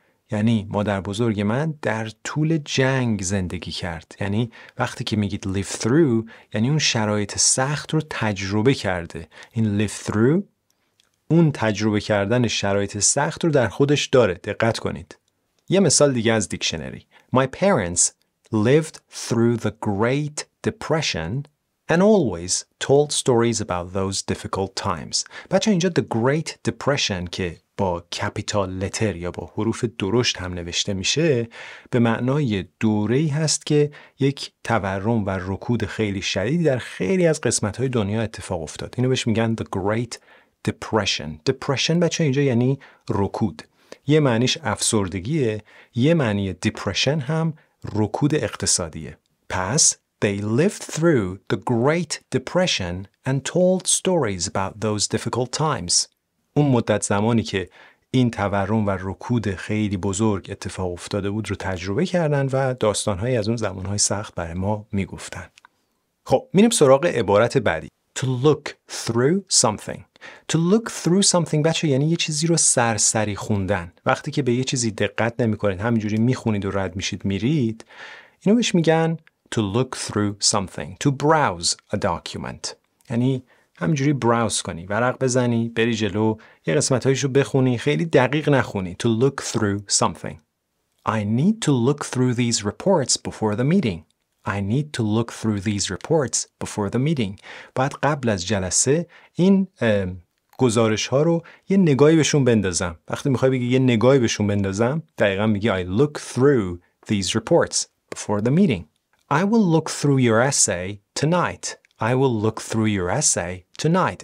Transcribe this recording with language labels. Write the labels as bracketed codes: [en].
[fa] یعنی مادر بزرگ من در طول جنگ زندگی کرد. یعنی وقتی که میگید live through، یعنی اون شرایط سخت رو تجربه کرده. این live through، اون تجربه کردن شرایط سخت رو در خودش داره. دقت کنید. یه مثال دیگه از دیکشنری. [en] My parents lived through the Great Depression and always told stories about those difficult times. [fa] بچه اینجا the Great Depression که با کپیتال لتر یا با حروف درشت هم نوشته میشه، به معنای دوره‌ای هست که یک تورم و رکود خیلی شدید در خیلی از قسمت‌های دنیا اتفاق افتاد. اینو بهش میگن The Great Depression. Depression بچه اینجا یعنی رکود. یه معنیش افسردگیه، یه معنی Depression هم رکود اقتصادیه. [en] پس They lived through the Great Depression and told stories about those difficult times. [fa] اون مدت زمانی که این تورم و رکود خیلی بزرگ اتفاق افتاده بود رو تجربه کردن و داستانهای از اون زمانهای سخت برای ما میگفتن. خب میریم سراغ عبارت بعدی. [en] To look through something. To look through something [fa] بچه یعنی یه چیزی رو سرسری خوندن. وقتی که به یه چیزی دقت نمی کنید، همینجوری میخونید و رد میشید میرید، اینو بهش میگن [en] To look through something. To browse a document. [fa] یعنی همجوری براوز کنی، ورق بزنی، بری جلو، یه قسمتایشو بخونی، خیلی دقیق نخونی. [en] To look through something. I need to look through these reports before the meeting. I need to look through these reports before the meeting. [fa] بعد قبل از جلسه این گزارش ها رو یه نگاهی بهشون بندازم. وقتی میخوای بگی یه نگاهی بهشون بندازم، دقیقا میگی [en] I look through these reports before the meeting. I will look through your essay tonight. I will look through your essay tonight.